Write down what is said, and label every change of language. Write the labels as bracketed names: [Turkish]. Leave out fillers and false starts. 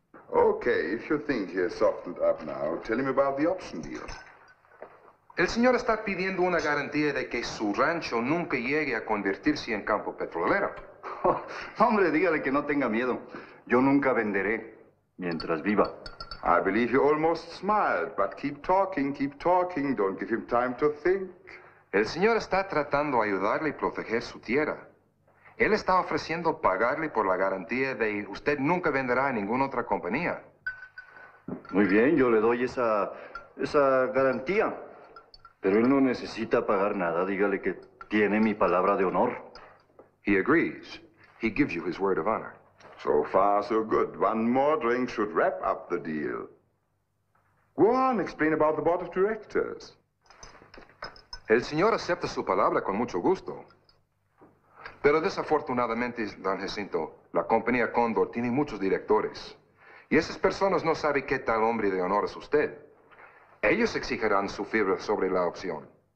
[English] Okay, if you think he has softened up now, tell him about the option deal. [Spanish] El señor está pidiendo una garantía de que su rancho nunca llegue a convertirse en campo petrolero. Oh, hombre, dígale que no tenga miedo. Yo nunca venderé mientras viva. [English] I believe you almost smiled, but keep talking, keep talking. Don't give him time to think. [Spanish] El señor está tratando de ayudarle y proteger su tierra. Él está ofreciendo pagarle por la garantía de usted nunca venderá a ninguna otra compañía. Muy bien, yo le doy esa garantía. Pero él no necesita pagar nada. Dígale que tiene mi palabra de honor. [English] He agrees. He gives you his word of honor. So far, so good. One more drink should wrap up the deal. Go on, explain about the board of directors. [Spanish] El señor acepta su palabra con mucho gusto. Pero desafortunadamente, don Jacinto, la compañía Cóndor tiene muchos directores. Y esas personas no saben qué tal hombre de honor es usted. Ellos exigirán su firma sobre la opción.